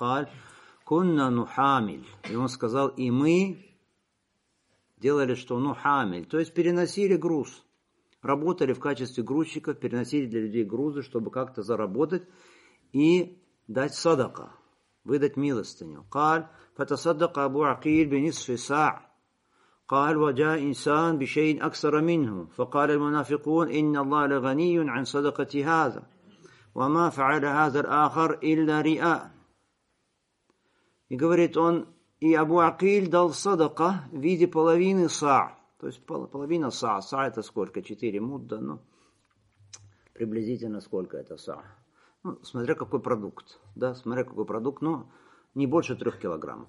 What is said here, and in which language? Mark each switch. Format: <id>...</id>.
<ar>Каль, кунна нухамиль.</ar> <ru>И он сказал, и мы делали что? Нухамиль. То есть переносили груз. Работали в качестве грузчиков, переносили для людей грузы, чтобы как-то заработать и дать садака, выдать милостыню.</ru> <ar>Каль, фатасаддака абу акиль бенисфи са'а. قال وجاء إنسان بشيء أكثر منه فقال المنافقون إن الله لغني عن صدقة هذا وما فعل هذا الآخر إلا رياء.</ar> <ru>И говорит он, и Абу Акиль дал садака в виде половины саа, то есть половина саа. Саа это сколько? 4 мудда, ну приблизительно сколько это саа? Ну, смотря какой продукт, да, смотря какой продукт, но не больше 3 килограммов.</ru>